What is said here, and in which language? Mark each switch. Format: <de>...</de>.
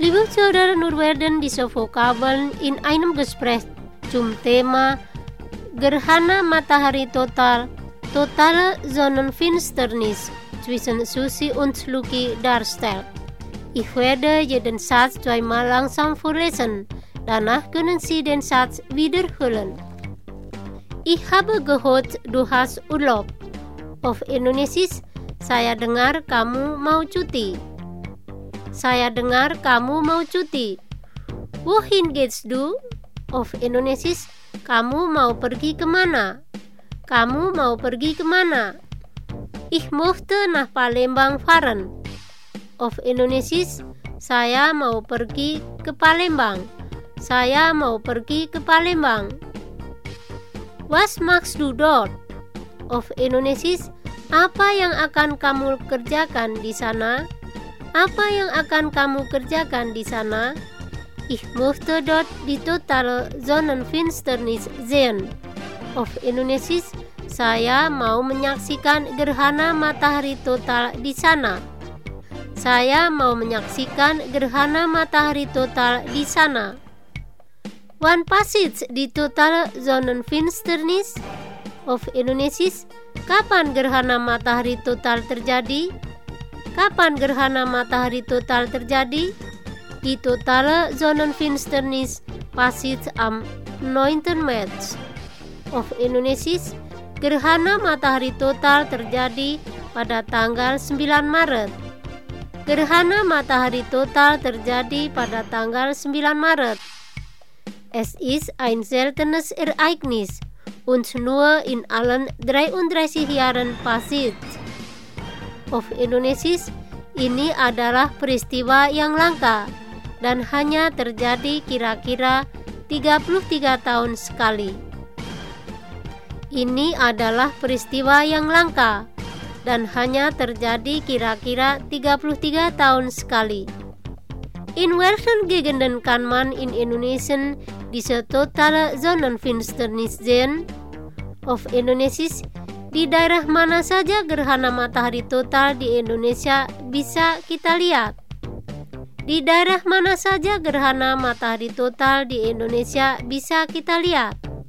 <de>Saudara Nur Werden di Sofokabeln in einem Gespräch zum Thema</de> <id>Gerhana Matahari Total,</id> <de>Totale Sonnenfinsternis zwischen Susi und Luki darstellt. Ich werde jeden Satz zweimal langsam vorlesen, danach können Sie den Satz wiederholen. Ich habe gehört, du hast Urlaub. Auf Indonesisch,</de> <id>saya dengar kamu mau cuti. Saya dengar kamu mau cuti.</id> <de>Wohin gehst du? Auf Indonesisch,</de> <id>kamu mau pergi kemana? Kamu mau pergi kemana?</id> <de>Ich möchte nach Palembang fahren. Auf Indonesisch,</de> <id>saya mau pergi ke Palembang. Saya mau pergi ke Palembang.</id> <de>Was machst du dort? Auf Indonesisch,</de> <id>apa yang akan kamu kerjakan di sana? Apa yang akan kamu kerjakan di sana?</id> <de>Ich möchte dort die totale Sonnenfinsternis sehen. Auf Indonesisch,</de> <id>saya mau menyaksikan gerhana matahari total di sana. Saya mau menyaksikan gerhana matahari total di sana.</id> <de>Wann passiert die totale Sonnenfinsternis? Auf Indonesisch,</de> <id>kapan gerhana matahari total terjadi? Kapan gerhana matahari total terjadi?</id> <de>Die totale Sonnenfinsternis passiert am 9. März. Auf Indonesisch,</de> <id>gerhana matahari total terjadi pada tanggal 9 Maret. Gerhana matahari total terjadi pada tanggal 9 Maret.</id> <de>Es ist ein seltenes Ereignis und nur in allen 33 Jahren passiert. Auf Indonesisch,</de> <id>ini adalah peristiwa yang langka dan hanya terjadi kira-kira 33 tahun sekali. Ini adalah peristiwa yang langka dan hanya terjadi kira-kira 33 tahun sekali.</id> <de>In welchen Gegenden kann man in Indonesien diese totale Sonnenfinsternis sehen? Auf Indonesisch,</de> <id>di daerah mana saja gerhana matahari total di Indonesia bisa kita lihat? Di daerah mana saja gerhana matahari total di Indonesia bisa kita lihat?</id>